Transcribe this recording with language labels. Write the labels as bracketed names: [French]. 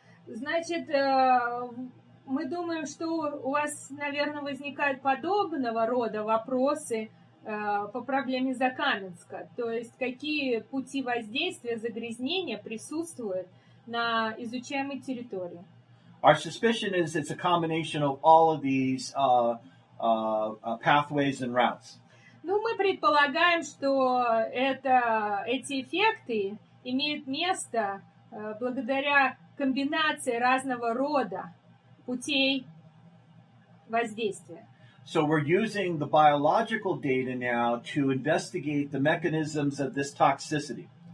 [Russian] Значит, мы думаем, что у вас, наверное, возникают подобного рода вопросы по проблеме Закаменска. То есть, какие пути воздействия загрязнения присутствуют на изучаемой территории? [English] Our suspicion is it's a combination of all of these pathways and routes. [Russian] Ну, мы предполагаем, что эти эффекты имеют место благодаря комбинации разного рода путей воздействия. [English] So we're using the biological data now to investigate the mechanisms of this toxicity.